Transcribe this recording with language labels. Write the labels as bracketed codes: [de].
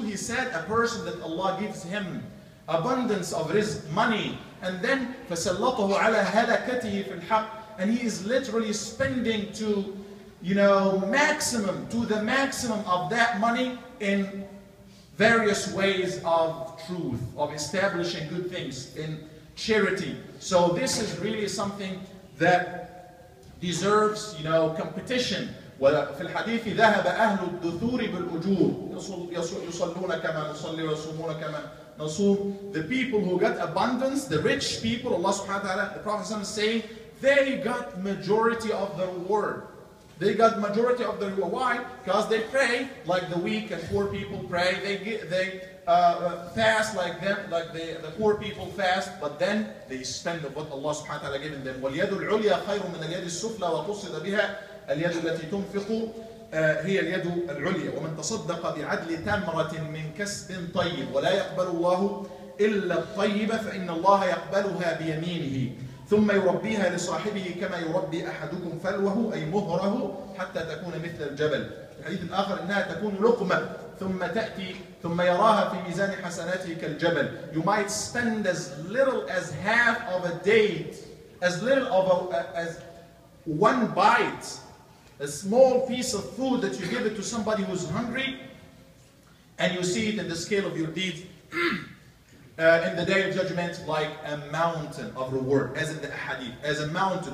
[en] He said, a person that Allah gives him abundance of rizq, money, and then [ar] فَسَلَّطَهُ عَلَى هَلَكَتِهِ فِي الْحَقِّ, [en] and he is literally spending to, you know, maximum, to the maximum of that money in various ways of truth, of establishing good things, in charity. So this is really something that deserves, you know, competition. [ar] وفي الحديث ذهب أهل الدثور بالأجور يصلون كما نصلي ويصومون كما نصوم. [en] The people who got abundance, the rich people, Allah subhanahu wa ta'ala, the Prophet is saying, they got majority of the reward. They got majority of the reward. Why? Because they pray like the weak and poor people pray. They fast like them, like the poor people fast, but then they spend of what Allah subhanahu wa ta'ala given them. [ar] وَالْيَدُ الْعُلْيَا خَيْرٌ مِنَ الْيَدِ السُّفْلَى وَقُصِّدَ بِهَا الْيَدُ الَّتِي تُنْفِقُ هِيَ الْيَدُ الْعُلْيَا وَمَنْ تَصَدَّقَ بِعَدْلِ تَمْرَةٍ مِنْ كَسْبٍ طَيِّبٍ وَلَا يَقْبَلُ اللَّهُ إِلَّا الطَّيِّبَ فَإِنَّ اللَّهَ يَقْبَلُهَا بِيَمِينِهِ ثم يربيها لصاحبه كما يربي أحدكم فلوه أي مهره حتى تكون مثل الجبل. الحديث الآخر إنها تكون لقمة ثم تأتي ثم يراها في ميزان حسناته كالجبل. [en] You might spend as little as half of a date, as little of a, as one bite, a small piece of food that you give it to somebody who's hungry, and you see it in the scale of your deeds. In the day of judgment, like a mountain of reward, as in the hadith, as a mountain.